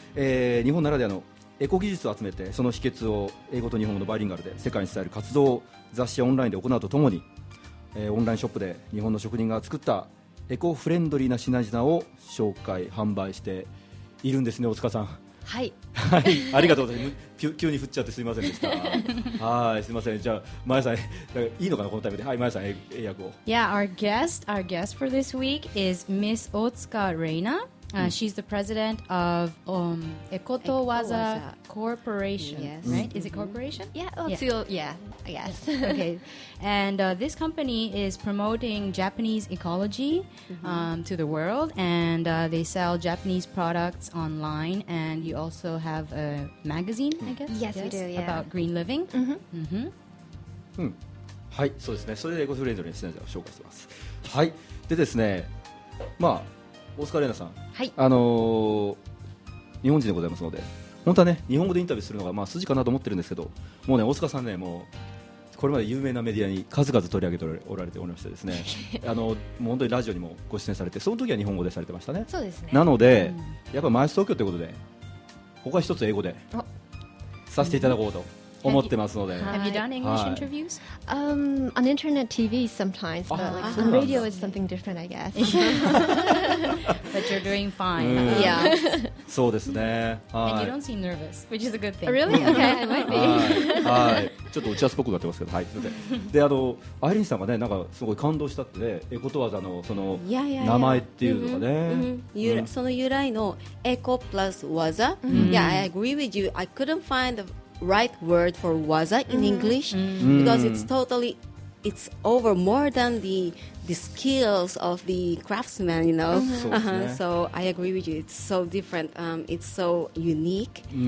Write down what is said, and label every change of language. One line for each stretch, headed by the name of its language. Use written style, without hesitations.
Japanese: 日本ならではのエコ技術を集めて、その秘訣を英語と日本語のバイリンガルで世界に伝える活動を雑誌やオンラインで行うとともに、オンラインショップで日本の職人が作ったエコフレンドリーな品々を紹介販売しているんですね。大塚さん、はい、はい、ありがとうございます。急に振っちゃってすみませんでした。はい、すみません。じゃあマヤさん、いいのかなこのタイミングで。はい、マヤさん、英訳を。
English: Yeah, our guest for this week is Miss 大塚 Reina。 She's the president of Ekoto Waza Corporation. Yes. Right? Mm-hmm. Is it corporation? Yeah. Oh, yeah. So, yeah, I guess. Okay. And this company is promoting Japanese ecology to the world. And they sell Japanese products online. And you also have a magazine, I guess? Yes, we do, yeah. About green living.
Japanese: はい、そうですね。それでエコフレンドリーの宣伝を紹介してます。はい。でですね、まあ、オスカレーナさん、はい、日本人でございますので、本当はね、日本語でインタビューするのがまあ筋かなと思ってるんですけど、もうね、オスカさんね、もうこれまで有名なメディアに数々取り上げておられておりましてですねもう本当にラジオにもご出演されて、その時は日本語でされてましたね。そうですね。なので、うん、やっぱマイス東京ということで、他は一つ英語でさせていただこうと思ってますので。
English: Have you done English interviews? On internet TV sometimes, but like, on radio is something different, I guess. But you're doing fine. Yeah.
Japanese: そうですね。
English: And you don't seem nervous, which is a good thing. Really? Okay, I might be.
Japanese: はい。ちょっと打ち合わせっぽくなってますけど、はい。で、アイリンさんがね、なんかすごい感動したってね、エコトワザのその名前っていうのがね。その由来のエコプラスワザ。
English: Yeah, I agree with you. I couldn't find the right word for waza in English because it's over more than the skills of the craftsman, you know. So I agree with you, it's so different, it's so unique.